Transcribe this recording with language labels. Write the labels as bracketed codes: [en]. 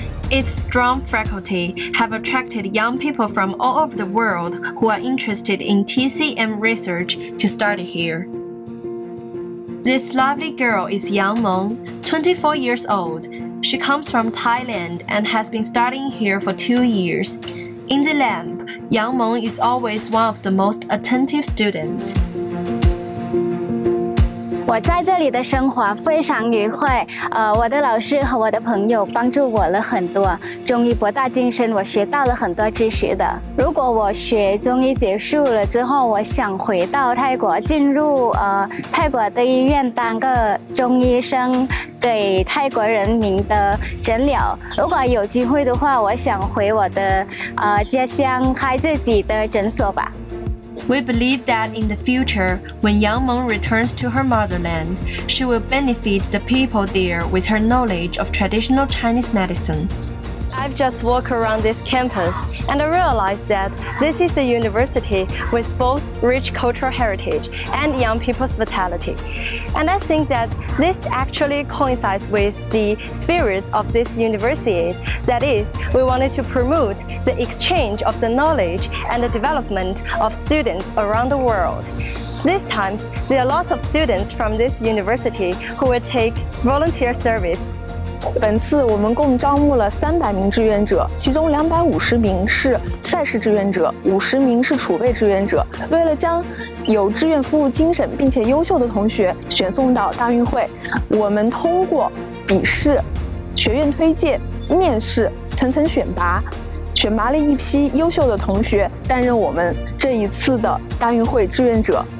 [en] Its strong faculty have attracted young people from all over the world who are interested in TCM research to study here. This lovely girl is Yang Meng, 24 years old. She comes from Thailand and has been studying here for 2 years. In the lab, Yang Meng is always one of the most attentive students. [zh] 我在这里的生活非常愉快。我的老师和我的朋友帮助我了很多。中医博大精深，我学到了很多知识的。如果我学中医结束了之后，我想回到泰国，进入泰国的医院当个中医生，给泰国人民的诊疗。如果有机会的话，我想回我的家乡开自己的诊所吧。 [en] We believe that in the future, when Yang Meng returns to her motherland, she will benefit the people there with her knowledge of traditional Chinese medicine. I've just walked around this campus and I realized that this is a university with both rich cultural heritage and young people's vitality. And I think that this actually coincides with the spirit of this university. That is, we wanted to promote the exchange of the knowledge and the development of students around the world. These times, there are lots of students from this university who will take volunteer service. [zh] 本次我们共招募了300名志愿者，其中250名是赛事志愿者，50名是储备志愿者。为了将有志愿服务精神并且优秀的同学选送到大运会，我们通过笔试、学院推荐、面试、层层选拔，选拔了一批优秀的同学担任我们这一次的大运会志愿者。